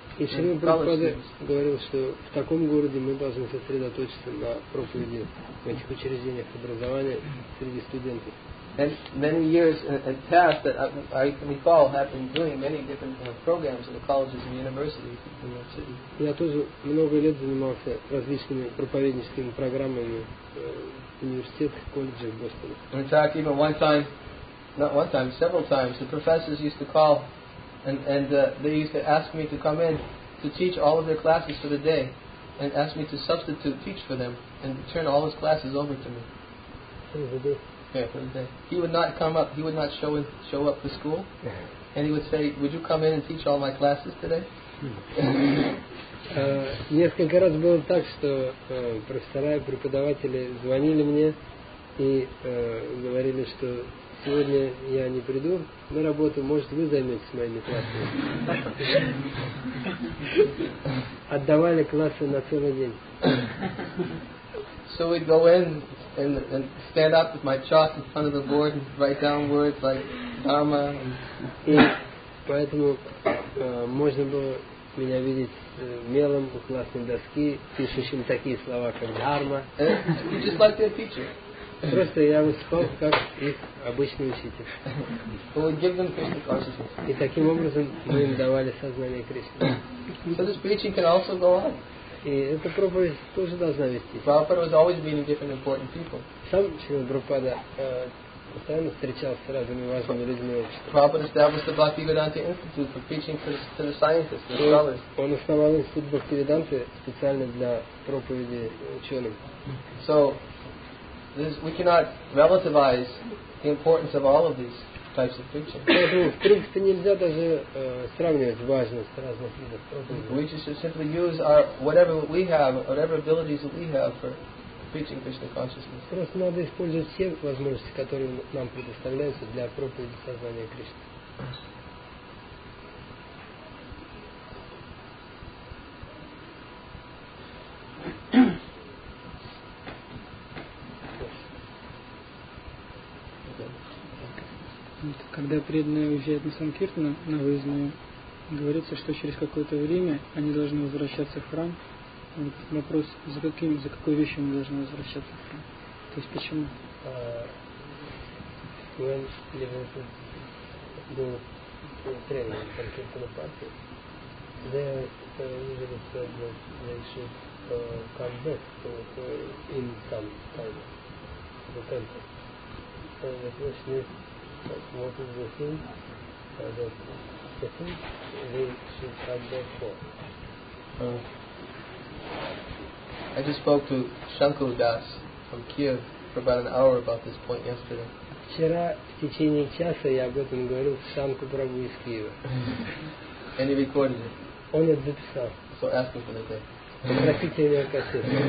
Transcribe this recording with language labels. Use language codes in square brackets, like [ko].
[ru] И Шри Прабхупада говорил, что в таком городе мы должны сосредоточиться на проповеди в этих учреждениях образования среди студентов. [en] And many years had passed that I recall having doing many different programs in the colleges and universities in that city. [ru] Я тоже много лет занимался различными проповедническими программами в университетах, колледжах Бостона. [en] In fact, even several times, the professors used to call. And they used to ask me to come in to teach all of their classes for the day, and ask me to substitute teach for them and turn all those classes over to me. For the day. He would not come up. He would not show up for school, and he would say, "Would you come in and teach all my classes today?" [ru] Несколько раз было так, что профессора и преподаватели звонили мне и говорили, что сегодня я не приду на работу, может, вы займетесь моими классами. Отдавали классы на целый день. [en] So we'd go in and stand up with my chalk in front of the board and write down words like dharma. [ru] И поэтому можно было меня видеть мелом у классной доски, пишущим такие слова, как дхарма. [en] Just like their teacher. [ru] Просто я выступал как их обычный учитель. И таким образом мы им давали сознание Кришны. [en] So this preaching can also go on. [ru] И эта проповедь тоже должна вестись. [en] Prabhupada was always meeting different important people. [ru] Сам Шрила Прабхупада постоянно встречался с разными важными людьми общества. [en] Prabhupada established the Bhaktivedanta Institute for preaching to the scientists, the scholars. [ru] Он основал институт Бхактивиданты специально для проповеди ученым. [en] So, we cannot relativize the importance of all of these types of preaching. We just simply use whatever abilities that we have for preaching Krishna consciousness. [ru] Просто надо использовать все возможности, которые нам предоставляются для проповеди сознания Кришны. Когда преданные уезжают на Санкиртану, на выездную, говорится, что через какое-то время они должны возвращаться в храм. Вот вопрос, за какую вещь они должны возвращаться в храм? То есть почему? [en] When he was doing training in Sankirtana party, they usually said that they should come back in some time to the temple. So the question is, what is the thing that the thing we should come back for? I just spoke to Shankar Das from Kiev for about an hour about this point yesterday. [ru] Вчера в течение часа я об этом говорил Шанку Прабу из Киева. [en] And he recorded it. [ru] Он это записал. [en] So ask him for the tape. [ru] Попросите его кассету.